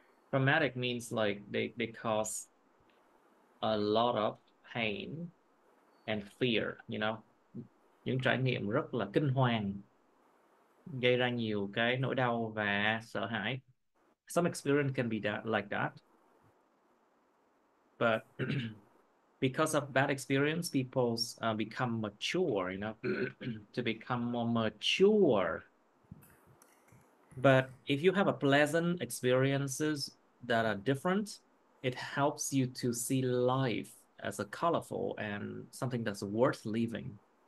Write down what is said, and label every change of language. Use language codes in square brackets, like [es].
[en] Traumatic means like they cause a lot of pain and fear, you know. [vi] Những trải nghiệm rất là kinh hoàng, gây ra nhiều cái nỗi đau và sợ hãi. [en] Some experience can be that, like that. But because of bad experience, people become mature, you know, to become more mature. But if you have a pleasant experiences that are different, it helps you to see life as a colorful and something that's worth living.